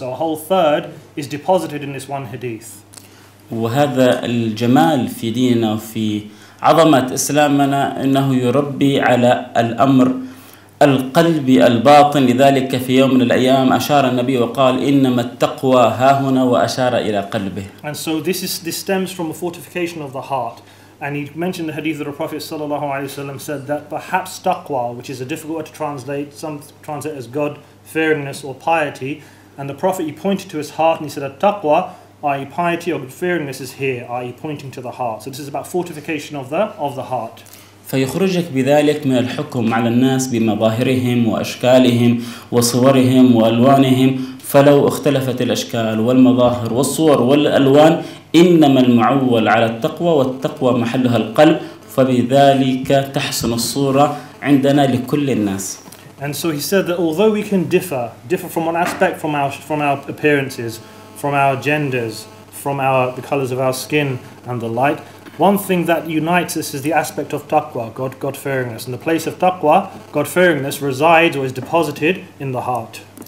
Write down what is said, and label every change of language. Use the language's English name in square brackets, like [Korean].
[English] So a whole third is deposited in this one hadith. [Arabic] وهذا الجمال في ديننا وفي عظمة إسلامنا إنه يربي على الأمر القلبي الباطن. لذلك في يوم من الأيام أشار النبي وقال إنما التقوى ها هنا، وأشار إلى قلبه. [English] And so this stems from a fortification of the heart. And he mentioned the hadith of the Prophet sallallahu alaihi wasallam said that perhaps taqwa, which is a difficult word to translate, some translate as God-fearingness or piety, and the Prophet, he pointed to his heart and he said that taqwa, i.e. piety or God-fearingness, is here, i.e. pointing to the heart. So this is about fortification of the heart. [Arabic] فيخرجك بذلك من الحكم على الناس بمظاهرهم وأشكالهم وصورهم وألوانهم، فلو اختلفت الأشكال والمظاهر والصور والألوان، إنما المعول على التقوى، والتقوى محلها القلب، فبذلك تحسن الصورة عندنا لكل الناس. [English] And so he said that although we can differ from one aspect, from our appearances, from our genders, from the colors of our skin and the light, one thing that unites us is the aspect of taqwa, God-fearingness. And the place of taqwa, God-fearingness, resides or is deposited in the heart.